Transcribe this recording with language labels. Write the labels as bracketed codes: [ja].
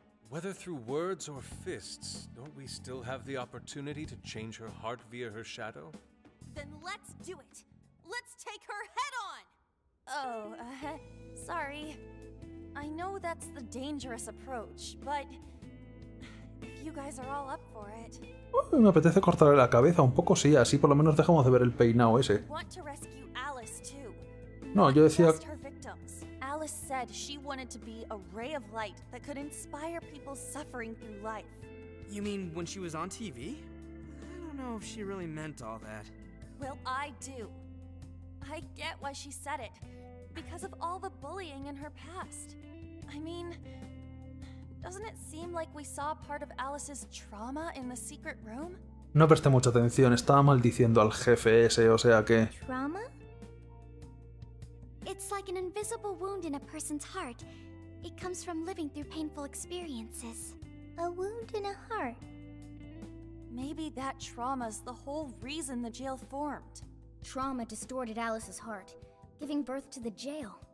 [en] Whether through words or fists, don't we still have the opportunity to change her heart via her shadow? Then let's do it! Let's take her head on! Sorry. I know that's the dangerous approach, but if you guys are all up for it... [es] Me apetece cortarle la cabeza un poco, sí, así por lo menos dejamos de ver el peinado ese. [en] Want to rescue Alice too. [es] No, yo decía... [en] Alice said she wanted to be a ray of light that could inspire people suffering through life. You mean when she was on TV? I don't know if she really meant all that. Well, I do. I get why she said it. Because of all the bullying in her past. I mean, doesn't it seem like we saw part of Alice's trauma in the secret room? [es] No presté mucha atención, estaba maldiciendo al jefe ese, o sea que... [en] Trauma? It's like an invisible wound in a person's heart. It comes from living through painful experiences. A wound in a heart. Maybe that trauma's the whole reason the jail formed. Trauma distorted Alice's heart, giving birth to the jail.